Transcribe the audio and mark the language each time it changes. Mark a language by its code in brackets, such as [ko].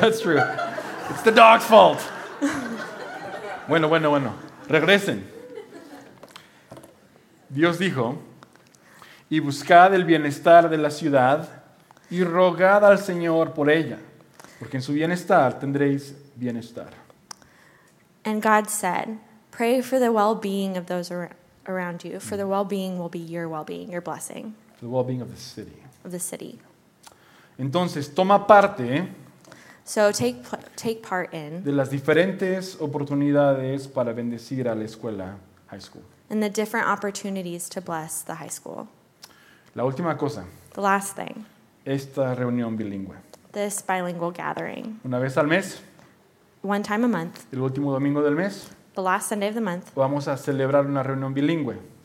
[en] That's true. It's the dog's fault. [es] Bueno. Regresen. Dios dijo, y buscad el bienestar de la ciudad y rogad al Señor por ella, porque en su bienestar tendréis bienestar. [en] And God said, pray for the well-being of those around you, for the well-being will be your well-being, your blessing. The well-being of the city. Of the city. [es] Entonces, toma parte. [en] So take part in. [es] De las diferentes oportunidades para bendecir a la escuela, high school. [en] And the different opportunities to bless the high school. [es] La última cosa. [en] The last thing. [es] Esta reunión bilingüe. [en] This bilingual gathering. [es] Una vez al mes. [en] One time a month. [es] El último domingo del mes. [en] The last Sunday of the month. [es] Vamos a celebrar una reunión bilingüe.